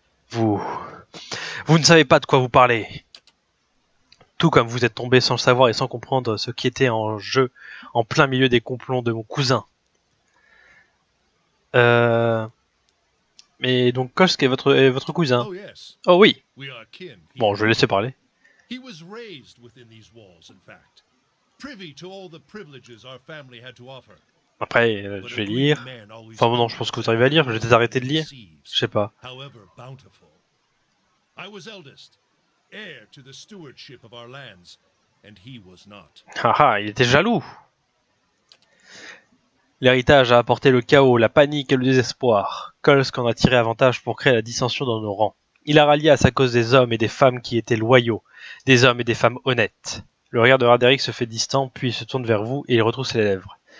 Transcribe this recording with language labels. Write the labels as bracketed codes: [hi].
[fr] Vous ne savez pas de quoi vous parlez. Tout comme vous êtes tombé sans le savoir et sans comprendre ce qui était en jeu en plein milieu des complots de mon cousin. Mais donc Kosk est votre cousin. Oh oui. Bon, je vais laisser parler. [en] He was raised within these walls, in fact. Privy to all the privileges our family had to offer. [fr] Après, je vais lire. Enfin bon, non, je pense que vous arrivez à lire, je vais peut-être arrêter de lire. Je sais pas. [en] However bountiful. I was eldest, heir to the stewardship of our lands, and he was not. Haha, [fr] il était jaloux. L'héritage a apporté le chaos, la panique et le désespoir. Kolsk en a tiré avantage pour créer la dissension dans nos rangs. Il a rallié à sa cause des hommes et des femmes qui étaient loyaux, des hommes et des femmes honnêtes. Le regard de Radéric se fait distant, puis il se tourne vers vous et il retrousse les lèvres.